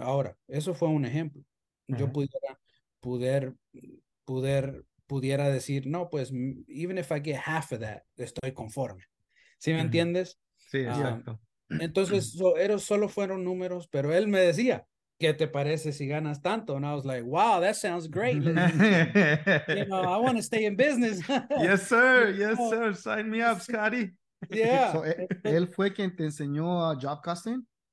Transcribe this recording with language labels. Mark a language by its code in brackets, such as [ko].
[es] Ahora, eso fue un ejemplo. Yo pudiera decir, no, pues, [en] even if I get half of that, [es] estoy conforme. ¿Sí me entiendes? Sí, exacto. Entonces, solo fueron números, pero él me decía, ¿qué te parece si ganas tanto? [en] And I was like, wow, that sounds great. You know, I want to stay in business. Yes, sir. Yes, sir. Sign me up, Scotty. Yeah. [es] So, él fue quien te enseñó job casting?